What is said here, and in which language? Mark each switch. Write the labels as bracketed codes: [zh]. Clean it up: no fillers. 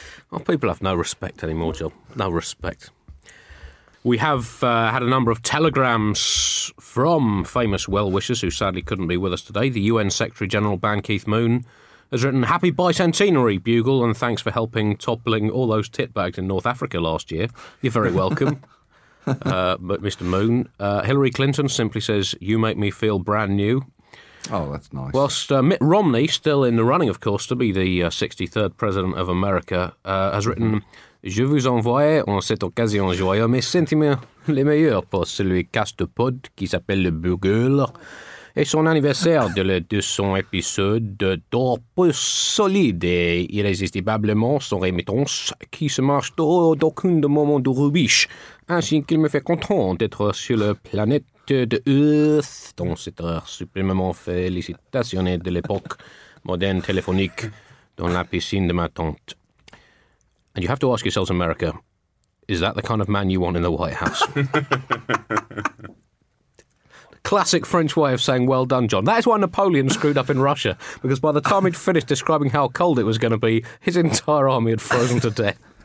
[en] Well, people have no respect anymore, Jill. No respect. We have had a number of telegrams from famous well-wishers who sadly couldn't be with us today. The UN Secretary-General Ban Ki-moon has written, "Happy bicentenary, Bugle, and thanks for helping toppling all those titbags in North Africa last year. You're very welcome, Mr. Moon." Hillary Clinton simply says, "You make me feel brand new." Oh, that's nice. Whilst Mitt Romney, still in the running, of course, to be the 63rd President of America, has written, [fr] "Je vous envoie en cette occasion joyeux mes sentiments les meilleurs pour celui Castepod qui s'appelle le Bugle et son anniversaire de le 200 épisode de d'orpus solide et irrésistiblement son remittance qui se marche d'aucun de moments de rubiche ainsi qu'il me fait content d'être sur la planète de Earth dans cette heure supplément félicitationnée de l'époque moderne téléphonique dans la piscine de ma tante." [en] And you have to ask yourselves, America, is that the kind of man you want in the White House? Classic French way of saying, well done, John. That is why Napoleon screwed up in Russia, because by the time he'd finished describing how cold it was going to be, his entire army had frozen to death.